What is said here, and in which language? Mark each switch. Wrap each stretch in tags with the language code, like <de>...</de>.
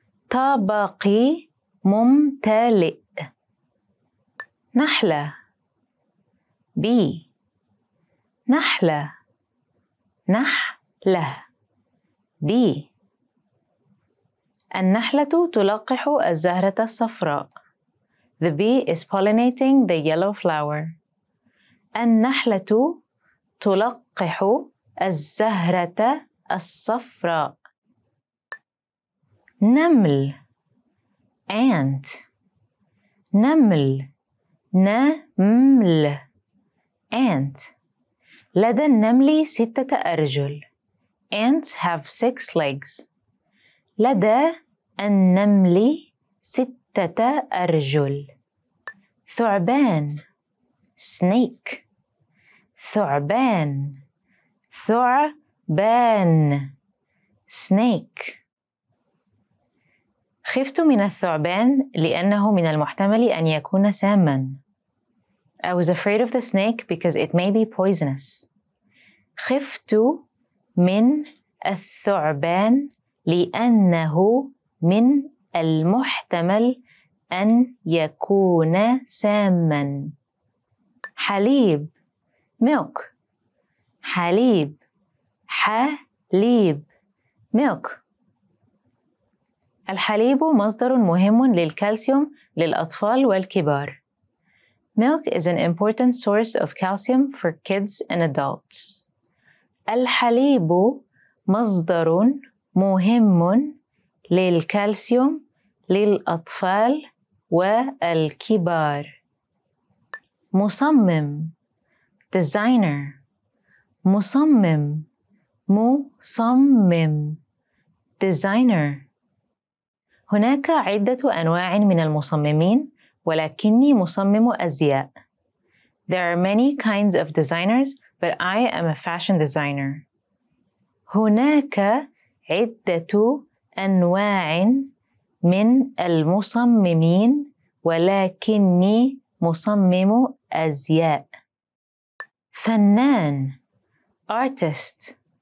<ar>طبقي ممتلئ. نحلة,</ar> <en>B.</en> <ar>نحلة, نحلة,</ar> <en>B.</en> <ar>النحلة تلقح الزهرة الصفراء.</ar> <en>The bee is pollinating the yellow flower.</en> <ar>النحلة تلقح الزهرة الصفراء. نمل,</ar> <en>ant.</en> <ar>نمل, نمل, ant. لدى النمل ستة أرجل.</ar> <en>ants have 6 legs.</en> <ar>لدى النمل 6 أرجل. ثعبان, snake. ثعبان, ثعبان, snake. خفت من الثعبان لأنه من المحتمل أن يكون ساماً.</ar> <en>I was afraid of the snake because it may be poisonous.</en> <ar>خفت من الثعبان لأنه من المحتمل أن يكون ساماً. حليب, milk. حليب, حليب, milk. الحليب مصدر مهم للكالسيوم للأطفال والكبار.</ar> <en>Milk is an important source of calcium for kids and adults.</en> <ar>الحليب مصدر مهم للكالسيوم للأطفال والكبار. مصمم, designer. مصمم, مصمم, designer. هناك عدة أنواع من المصممين ولكني مصمم أزياء.</ar> <en>There are many kinds of designers, but I am a fashion designer.</en> <ar>هناك عدة أنواع من المصممين ولكني مصمم أزياء. فنان, artist.</ar>